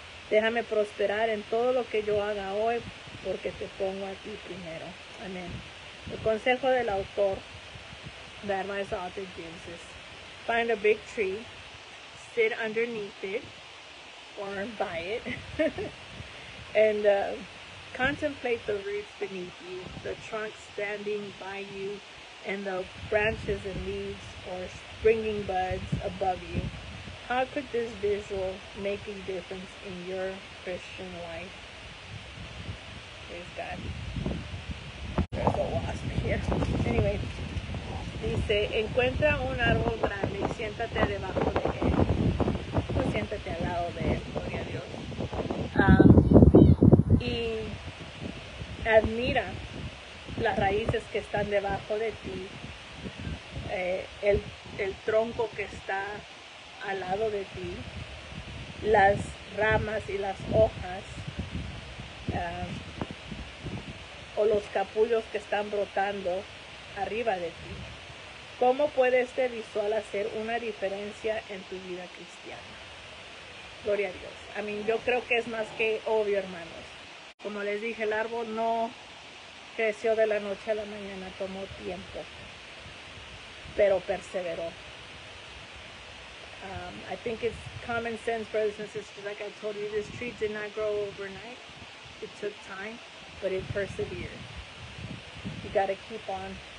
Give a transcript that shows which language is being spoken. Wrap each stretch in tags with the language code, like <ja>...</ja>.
<es>Déjame prosperar en todo lo que yo haga hoy porque te pongo a ti primero. Amén. El consejo del autor,</es> <en>that my author gives is, find a big tree, sit underneath it, or by it, and contemplate the roots beneath you, the trunk standing by you, and the branches and leaves or springing buds above you. How could this visual make a difference in your Christian life? Praise God. There's a wasp here. Anyway,</en> <es>dice, encuentra un árbol grande y siéntate debajo de él. O siéntate al lado de él, gloria a Dios. Y admira las raíces que están debajo de ti. El tronco que está al lado de ti. Las ramas y las hojas. O los capullos que están brotando arriba de ti. ¿Cómo puede este visual hacer una diferencia en tu vida cristiana? Gloria a Dios. A mí, yo creo que es más que obvio, hermanos. Como les dije, el árbol no creció de la noche a la mañana, tomó tiempo, pero perseveró.</es> <en>I think it's common sense, brothers and sisters, like I told you, this tree did not grow overnight. It took time, but it persevered. You got to keep on.</en>